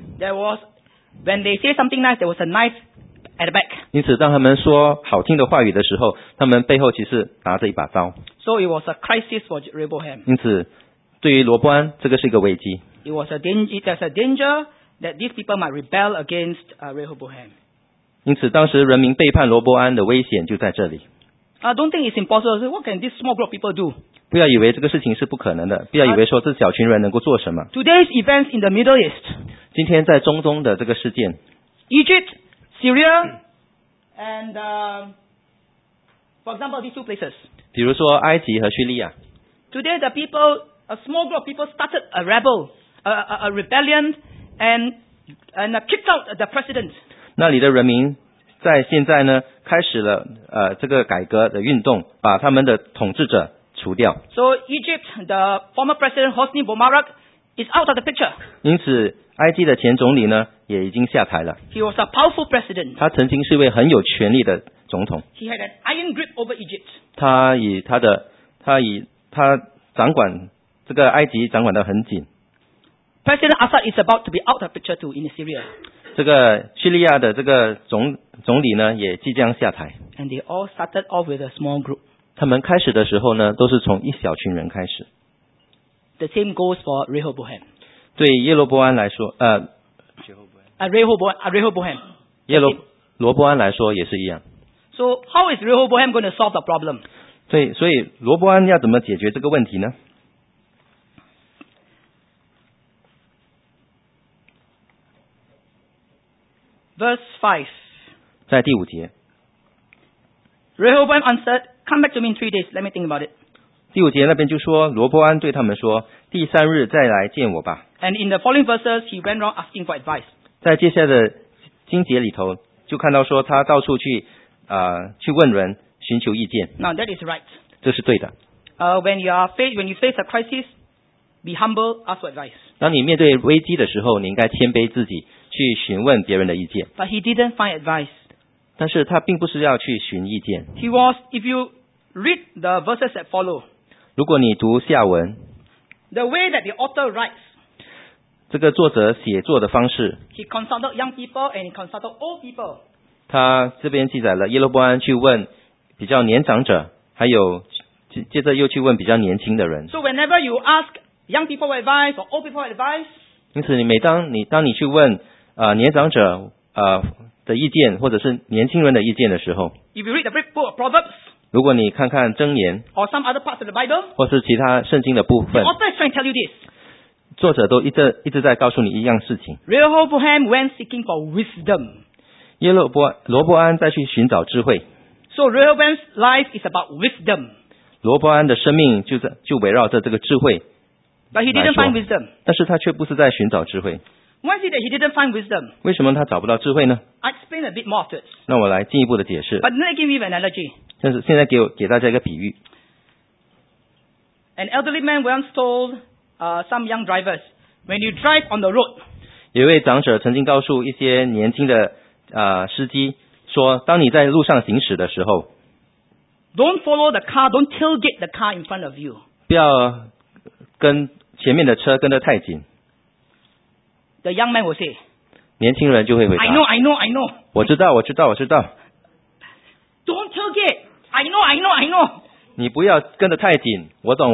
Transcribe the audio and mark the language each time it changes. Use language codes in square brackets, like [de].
[en] There was, when they say something nice, there was a knife at the back. [zh] 因此，当他们说好听的话语的时候，他们背后其实拿着一把刀。 [en] So it was a crisis for Rehoboam. [zh] 因此，对于罗伯安，这个是一个危机。 [en] It was a danger. There's a danger that these people might rebel against Rehoboam. [zh] 因此，当时人民背叛罗伯安的危险就在这里。 [en] I don't think it's impossible. What can this small group of people do? [zh] 不要以为这个事情是不可能的。不要以为说这小群人能够做什么。 [en] Today's events in the Middle East. [zh] 今天在中东的这个事件。 [en] Egypt, Syria, and for example, these two places. [zh] 比如说埃及和叙利亚。 [en] Today the people, a small group of people started a rebel, a rebellion, and kicked out the president. [zh] 那里的人民在现在呢，开始了这个改革的运动，把他们的统治者除掉。 [en] So Egypt, the former president Hosni Mubarak is out of the picture. [zh] 因此，埃及的前总理呢，也已经下台了。 [en] He was a powerful president. [zh] 他曾经是一位很有权力的总统。 [en] He had an iron grip over Egypt. [zh] 他掌管这个埃及掌管得很紧。 [en] President Assad is about to be out of picture too in Syria. [zh] 这个叙利亚的这个总理呢也即将下台。 [en] And they all started off with a small group. [zh] 他们开始的时候呢都是从一小群人开始。 [en] The same goes for Rehoboam. [zh] 对耶罗波安来说 [en] Rehoboam. [zh] 罗波安来说也是一样。 [en] So how is Rehoboam going to solve the problem? [zh] 所以罗伯安要怎么解决这个问题呢？ [en] Verse 5， [zh] 在第五节。 [en] Rehoboam answered, "Come back to me in 3 days. Let me think about it." [zh] 第五节那边就说罗伯安对他们说，第三日再来见我吧。 [en] And in the following verses, he went around asking for advice. [zh] 在接下来的经节里头，就看到说他到处去。去问人寻求意见。 [en] Now that is right. [zh] 这是对的。 [en] When you face a crisis, be humble, ask for advice. [zh] 当你面对危机的时候，你应该谦卑自己，去询问别人的意见。 [en] But he didn't find advice. [zh] 但是他并不是要去寻意见。 [en] He was, if you read the verses that follow. [zh] 如果你读下文。 [en] The way that the author writes. [zh] 这个作者写作的方式。 [en] He consulted young people and he consulted old people. [zh] 他这边记载了耶罗波安去问比较年长者，还有接着又去问比较年轻的人。 [en] So whenever you ask young people advice or old people advice, [zh] 因此你当你去问年长者的意见，或者是年轻人的意见的时候， [en] If you read the book of Proverbs, [zh] 如果你看看箴言， [en] or some other parts of the Bible, [zh] 或是其他圣经的部分， [en] the author is trying to tell you this. [zh] 作者都一直在告诉你一样事情。 [en] Rehoboam went seeking for wisdom. [zh] 罗伯安再去寻找智慧。 [en] So Rehoboam's life is about wisdom. [zh] 罗伯安的生命就围绕着这个智慧。 [en] But he didn't find wisdom. [zh] 但是他却不是在寻找智慧。 [en] Why is it that he didn't find wisdom? [zh] 为什么他找不到智慧呢？ [en] I explain a bit more of this. [zh] 那我来进一步的解释。 [en] But let me give you an analogy. [zh] 但是现在给大家一个比喻。 [en] An elderly man once told some young drivers, "When you drive on the road." [zh] 有一位长者曾经告诉一些年轻的司机说，当你在路上行驶的时候 [en] ，Don't follow the car, don't tailgate the car in front of you. [zh] 不要跟前面的车跟得太紧。 [en] The young man will say. [zh] 年轻人就会回答。 [en] I know. [zh] 我知道。 [en] Don't forget. I know. [zh] 你不要跟得太紧，我懂。